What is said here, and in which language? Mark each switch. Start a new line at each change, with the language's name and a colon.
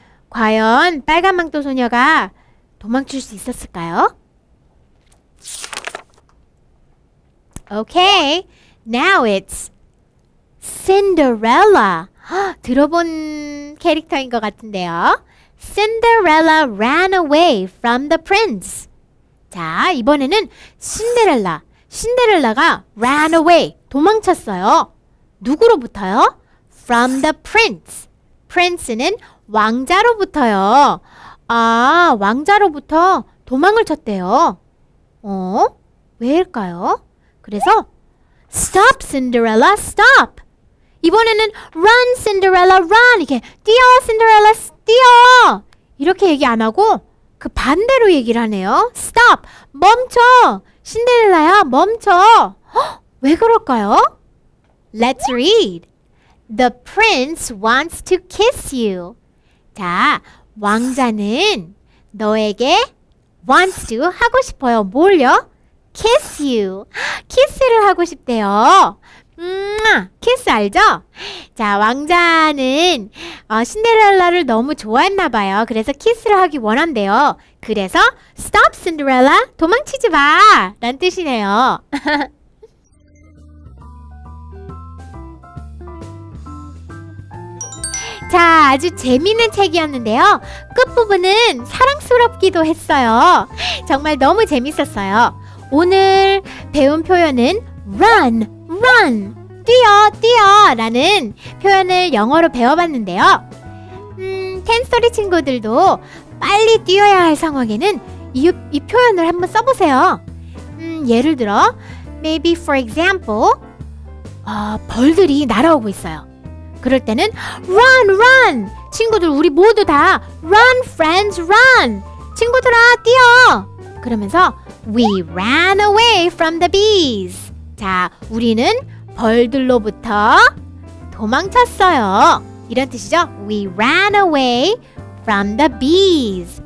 Korean: 과연 빨간 망토 소녀가 도망칠 수 있었을까요?
English: Okay, now it's Cinderella.
Korean: 들어본 캐릭터인 것 같은데요.
English: Cinderella ran away from the prince.
Korean: 자, 이번에는 신데렐라가
English: ran away,
Korean: 도망쳤어요. 누구로부터요?
English: From the prince.
Korean: Prince는 왕자로부터요. 아, 왕자로부터 도망을 쳤대요. 어? 왜일까요? 그래서
English: Stop, Cinderella, stop! 이번에는 Run, Cinderella, run!
Korean: 이렇게 뛰어, Cinderella, 뛰어! 이렇게 얘기 안 하고 그 반대로 얘기를 하네요. Stop! 멈춰! 신데렐라야, 멈춰! 헉, 왜 그럴까요?
English: Let's read. The prince wants to kiss you.
Korean: 자, 왕자는 너에게
English: wants to
Korean: 하고 싶어요. 뭘요?
English: Kiss you.
Korean: 키스를 하고 싶대요. 키스 알죠? 자, 왕자는 신데렐라를 너무 좋아했나 봐요. 그래서 키스를 하기 원한대요. 그래서
English: Stop, Cinderella.
Korean: 도망치지 마. 라는 뜻이네요. 자, 아주 재미있는 책이었는데요. 끝부분은 사랑스럽기도 했어요. 정말 너무 재밌었어요. 오늘 배운 표현은
English: run, run,
Korean: 뛰어, 뛰어 라는 표현을 영어로 배워봤는데요. 텐스토리 친구들도 빨리 뛰어야 할 상황에는 이 표현을 한번 써보세요. 예를 들어,
English: maybe for example,
Korean: 벌들이 날아오고 있어요. 그럴 때는
English: run, run!
Korean: 친구들 우리 모두 다
English: run, friends, run!
Korean: 친구들아, 뛰어! 그러면서
English: We ran away from the bees.
Korean: 자, 우리는 벌들로부터 도망쳤어요. 이런 뜻이죠?
English: We ran away from the bees.